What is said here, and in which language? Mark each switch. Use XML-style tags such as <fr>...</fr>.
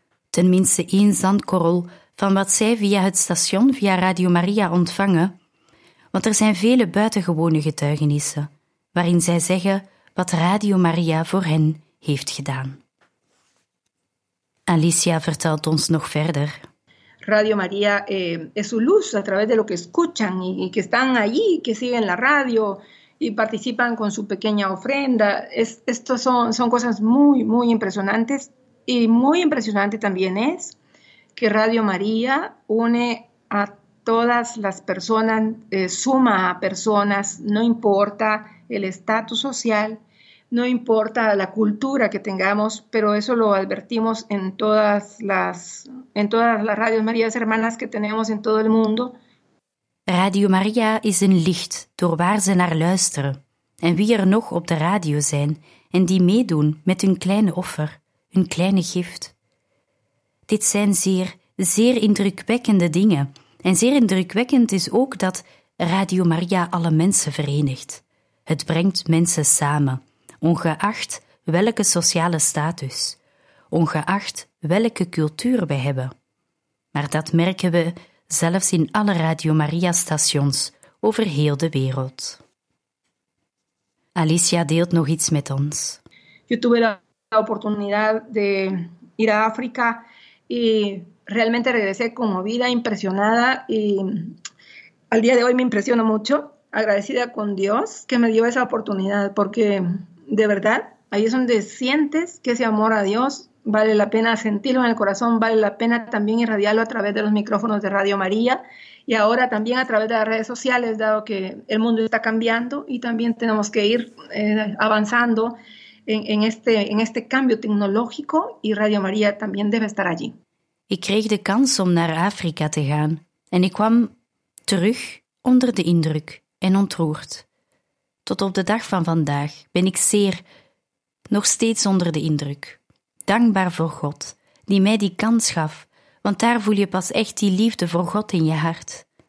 <nl>Tenminste één zandkorrel van wat zij via het station, via Radio Maria ontvangen, want er zijn vele buitengewone getuigenissen waarin zij zeggen wat Radio Maria voor hen heeft gedaan. Alicia vertelt ons nog verder.</nl> <es>Radio María es su luz a través de lo que escuchan y que están allí, que siguen la radio y participan con su pequeña ofrenda. Estos son cosas muy, muy impresionantes. Y muy impresionante también es que Radio María une a todas las personas, suma a personas, no importa el estatus social, no importa la cultura que tengamos, pero eso lo advertimos en todas las radios Marías hermanas que tenemos en todo el mundo.</es> <nl>Radio María</nl> <es>es un</es> <nl>licht door waar ze naar luisteren en wie er nog op de radio zijn en die meedoen met hun kleine offer, hun kleine gift. Dit zijn zeer, zeer indrukwekkende dingen. En zeer indrukwekkend is ook dat Radio María alle mensen verenigt. Het brengt mensen samen, ongeacht welke sociale status, ongeacht welke cultuur we hebben. Maar dat merken we zelfs in alle Radio Maria-stations over heel de wereld. Alicia deelt nog iets met ons.</nl> <es>Yo tuve la oportunidad de ir a África y realmente regresé conmovida, impresionada y al día de hoy me impresiono mucho. Agradecida con Dios que me dio esa oportunidad, porque de verdad, ahí es donde sientes que ese amor a Dios vale la pena sentirlo en el corazón, vale la pena también irradiarlo a través de los micrófonos de Radio María y ahora también a través de las redes sociales, dado que el mundo está cambiando y también tenemos que ir avanzando en este cambio tecnológico y Radio María también debe estar allí.</es> <nl>Ik kreeg de kans om naar Afrika te gaan en ik kwam terug onder de indruk. En ontroerd. Tot op de dag van vandaag ben ik zeer, nog steeds onder de indruk. Dankbaar voor God, die mij die kans gaf, want daar voel je pas echt die liefde voor God in je hart.</nl>